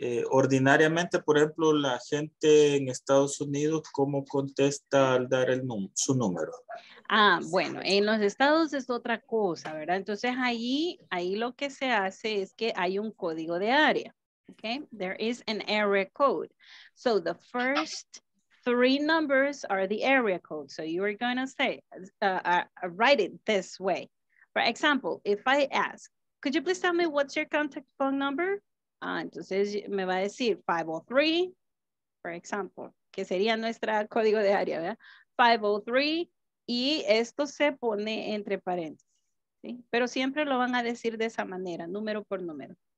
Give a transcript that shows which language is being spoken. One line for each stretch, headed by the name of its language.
Spanish: Ordinariamente, por ejemplo, la gente en Estados Unidos, ¿cómo contesta al dar su número? Ah, bueno, en los estados es otra cosa, ¿verdad? Entonces ahí lo que se hace es que hay un código de área, ¿ok?
English: There is an area code. So the first three numbers are the area code. So you are going to say, write it this way. For example, if I ask, could you please tell me what's your contact phone number?
Spanish: Entonces me va a decir 503,
English: for example,
Spanish: que sería nuestro código de área, ¿verdad? 503, y esto se pone entre paréntesis. ¿Sí? Pero siempre lo van a decir de esa manera, número por número.